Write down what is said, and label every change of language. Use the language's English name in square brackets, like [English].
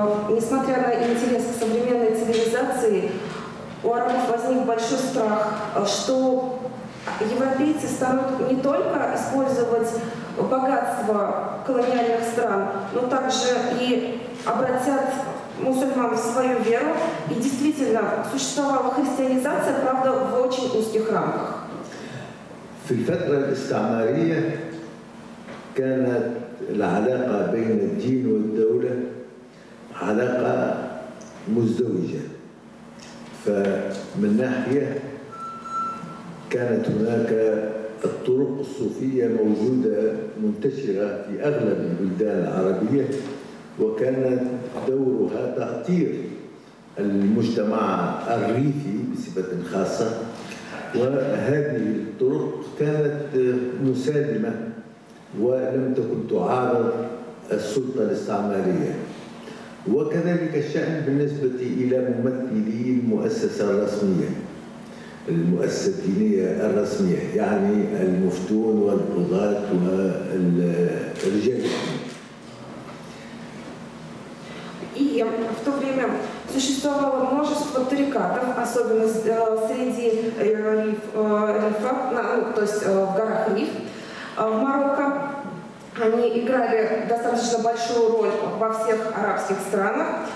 [Russian] Несмотря на интерес к современной цивилизации, у арабов возник большой страх, что европейцы станут не только использовать богатство колониальных стран, но также и обратят мусульман в свою веру. И действительно, существовала христианизация, правда, в очень узких рамках. [Arabic] В фетре истамария كانت العلاقة بين الدين والدولة علاقة مزدوجة، فمن ناحية كانت هناك الطرق الصوفية موجودة منتشرة في أغلب البلدان العربية، وكانت دورها تأطير المجتمع الريفي بصفة خاصة، وهذه الطرق كانت مسالمة ولم تكن تعارض السلطة الاستعمارية. وكذلك الشأن بالنسبة إلى ممثلي المؤسسة الرسمية، المؤسسة الدينية الرسمية، يعني المفتون والقضاة والرجال. [Russian] В то время существовало множество тарикатов, особенно среди рифа, то есть в горах Риф, в Марокко. Они играли достаточно большую роль во всех арабских странах.